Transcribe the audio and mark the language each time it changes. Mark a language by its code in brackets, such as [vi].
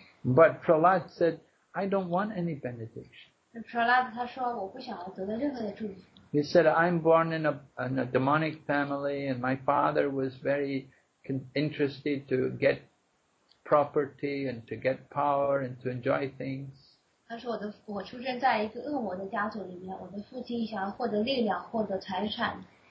[en] But Prahlad said, "I don't want any benediction." [zh] 普拉德他说我不想得到任何的祝福。 [en] He said, "I'm born in a demonic family, and my father was very interested to get property and to get power and to enjoy things." [zh] 他说我出生在一个恶魔的家族里面，我的父亲想要获得力量，获得财产。